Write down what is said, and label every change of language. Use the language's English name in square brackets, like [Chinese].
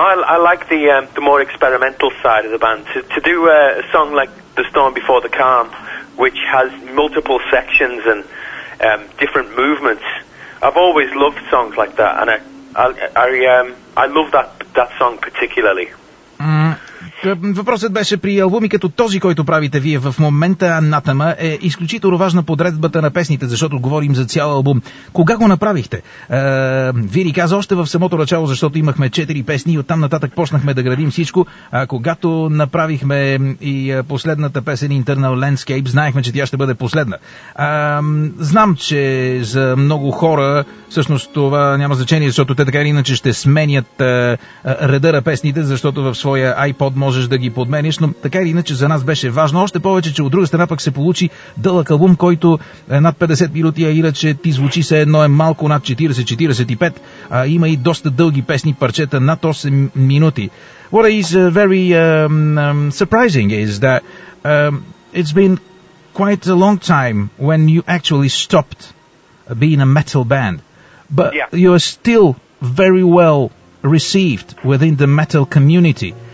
[English] I like the more experimental side of the band. To do a song like "The Storm Before the Calm," which has multiple sections and different movements, I've always loved songs like that, and I love that song particularly. [Bulgarian] Въпросът беше при албуми като този, който правите вие в момента, Anathema, е изключително важна подредбата на песните, защото говорим за цял албум. Кога го направихте? Вие ни каза още в самото начало, защото имахме 4 песни и оттам нататък почнахме да градим всичко. Когато направихме и последната песен Internal Landscape, знаехме, че тя ще бъде последна. Знам, че за много хора, всъщност това няма значение, защото те така или иначе ще сменят реда на песните, защото в своя iPod можеш да ги подмениш, но така или иначе за нас беше важно. Още повече, че от друга страна пък се получи дълъг албум, който е над 50 минути, а иначе ти звучи се едно е малко над 40-45. Има и доста дълги песни, парчета над 8 минути. [English] What is very surprising is that it's been quite a long time when you actually stopped being a metal band. But yeah, you are still very well received within the metal community.